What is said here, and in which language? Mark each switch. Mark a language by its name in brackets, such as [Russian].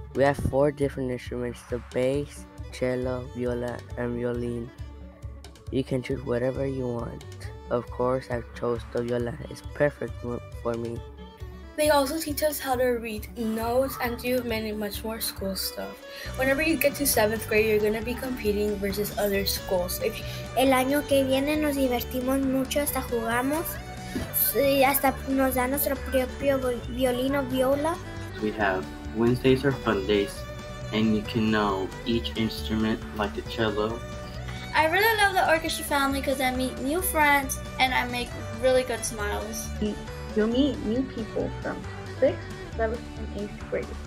[English] We have 4 different instruments, the bass, cello, viola, and violin. You can choose whatever you want. Of course, I've chose the viola. It's perfect for me. They also teach us how to read notes and do many, much more school stuff. Whenever you get to 7th grade, you're going to be competing versus other schools. [Spanish] El año que viene nos divertimos mucho, hasta jugamos, hasta nos da nuestro propio violín o viola. [English] We have Wednesdays are fun days, and you can know each instrument like the cello. I really love the orchestra family because I meet new friends and I make really good smiles. You'll meet new people from 6th, 7th, and 8th grade.